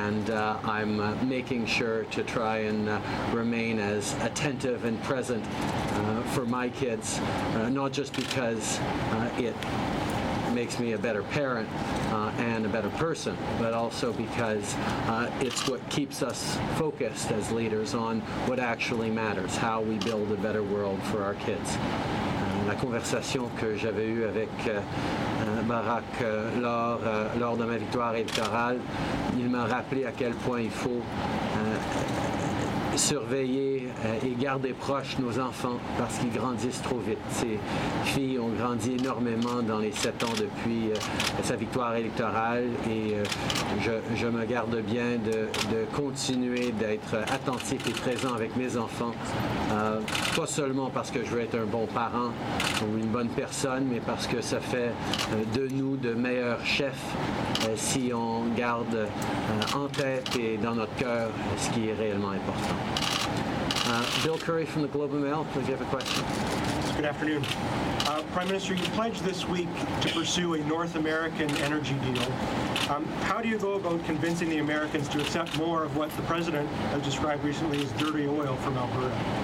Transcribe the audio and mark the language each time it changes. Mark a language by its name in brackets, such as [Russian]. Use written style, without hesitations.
[English] I'm making sure to try and remain as attentive and present for my kids, not just because it makes me a better parent and a better person, but also because it's what keeps us focused as leaders on what actually matters, how we build a better world for our kids. [French] La conversation que j'avais eue avec Barack lors de ma victoire électorale, il m'a rappelé à quel point il faut surveiller et garder proches nos enfants parce qu'ils grandissent trop vite. Ces filles ont grandi énormément dans les 7 ans depuis sa victoire électorale et je me garde bien de continuer d'être attentif et présent avec mes enfants, pas seulement parce que je veux être un bon parent ou une bonne personne, mais parce que ça fait de nous de meilleurs chefs si on garde en tête et dans notre cœur ce qui est réellement important. [English] Bill Curry from the Globe and Mail, please, you have a question. Good afternoon. Prime Minister, you pledged this week to pursue a North American energy deal. How do you go about convincing the Americans to accept more of what the President has described recently as dirty oil from Alberta?